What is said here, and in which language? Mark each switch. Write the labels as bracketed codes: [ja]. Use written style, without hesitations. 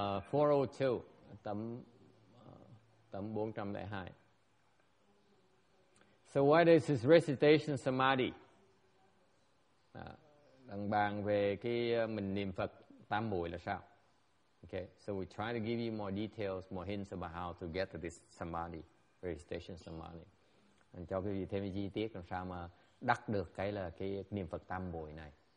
[vi] 402, tấm 402. [en] So what is this recitation samadhi? [vi] Đang bàn về mình niệm Phật tam muội là sao? [en] Okay, so we try to give you more details, more hints about how to get to this samadhi, recitation samadhi. [vi] And cho quý vị thêm chi tiết làm sao mà đắc được cái niệm Phật tam muội này.